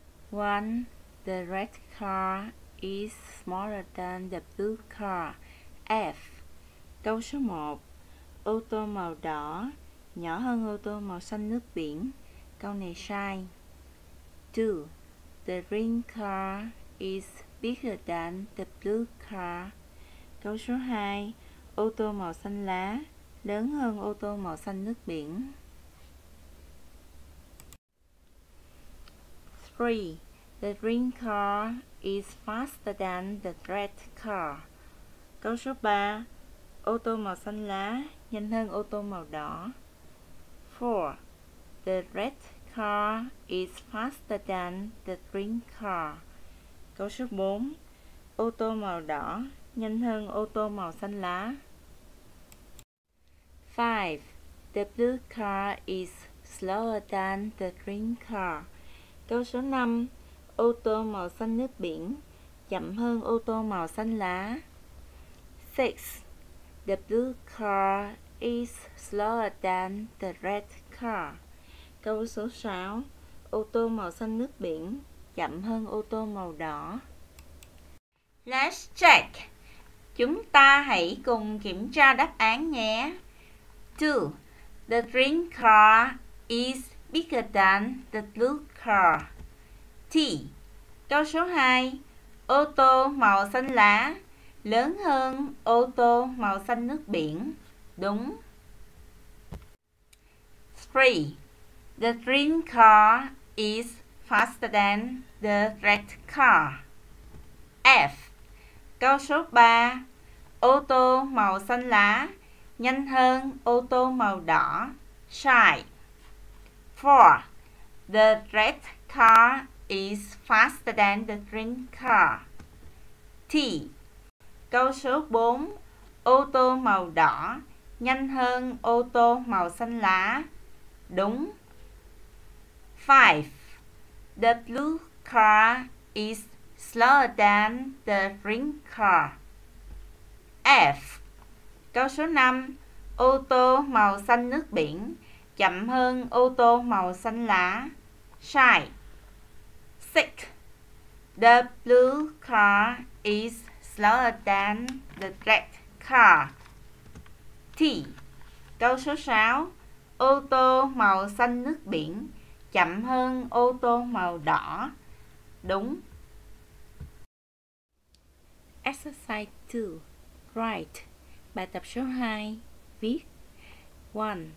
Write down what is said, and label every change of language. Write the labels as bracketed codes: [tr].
[en] One, the red car is smaller than the blue car. [vi] F. Câu số 1. Ô tô màu đỏ nhỏ hơn ô tô màu xanh nước biển. Câu này sai. 2. [en] The green car is bigger than the blue car. [vi] Câu số 2. Ô tô màu xanh lá lớn hơn ô tô màu xanh nước biển. 3. [en] The green car is faster than the red car. [vi] Câu số 3. Ô tô màu xanh lá nhanh hơn ô tô màu đỏ. 4. [en] The red car is faster than the green car. [vi] Câu số 4. Ô tô màu đỏ nhanh hơn ô tô màu xanh lá. [en] 5. The blue car is slower than the green car. [vi] Câu số 5. Ô tô màu xanh nước biển chậm hơn ô tô màu xanh lá. 6. [en] The blue car is slower than the red car. [vi] Câu số 6. Ô tô màu xanh nước biển chậm hơn ô tô màu đỏ. [en] Let's check. [vi] Chúng ta hãy cùng kiểm tra đáp án nhé. 2. [en] The green car is bigger than the blue car. [vi] T. Câu số 2. Ô tô màu xanh lá lớn hơn ô tô màu xanh nước biển. Đúng. 3. [en] The green car is faster than the red car. [vi] F. Câu số 3. Ô tô màu xanh lá nhanh hơn ô tô màu đỏ. Sai. 4. [en] The red car is faster than the green car. [vi] T. Câu số 4. Ô tô màu đỏ nhanh hơn ô tô màu xanh lá. Đúng. 5. [en] The blue car is slower than the green car. [vi] F. Câu số 5. Ô tô màu xanh nước biển chậm hơn ô tô màu xanh lá. Sai. 6. [en] The blue car is slower than the red car. [vi] T. Câu số 6. Ô tô màu xanh nước biển chậm hơn ô tô màu đỏ. Đúng. [en] Exercise 2. Write. [vi] Bài tập số 2. Viết. 1.